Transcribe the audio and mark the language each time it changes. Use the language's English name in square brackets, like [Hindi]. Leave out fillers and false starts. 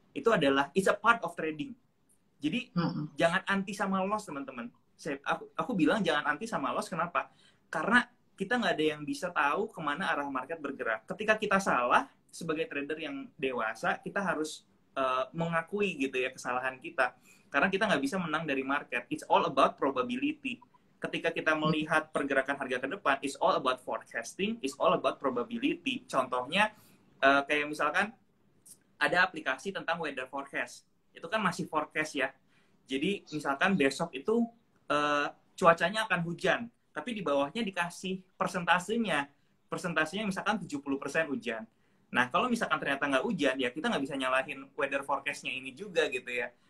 [Indonesian] Itu adalah [English] it's a part of trading. [Indonesian] Jadi jangan anti sama loss, teman-teman. Aku bilang jangan anti sama loss, kenapa? Karena kita nggak ada yang bisa tahu kemana arah market bergerak. Ketika kita salah, sebagai trader yang dewasa, kita harus mengakui gitu ya kesalahan kita. Karena kita nggak bisa menang dari market. [English] It's all about probability. [Indonesian] Ketika kita melihat pergerakan harga ke depan, [English] it's all about forecasting, it's all about probability. [Indonesian] Contohnya, kayak misalkan ada aplikasi tentang weather forecast. Itu kan masih forecast ya. Jadi misalkan besok itu cuacanya akan hujan, tapi di bawahnya dikasih persentasenya. Persentasenya misalkan 70% hujan. Nah, kalau misalkan ternyata nggak hujan, ya kita nggak bisa nyalahin weather forecast-nya ini juga gitu ya.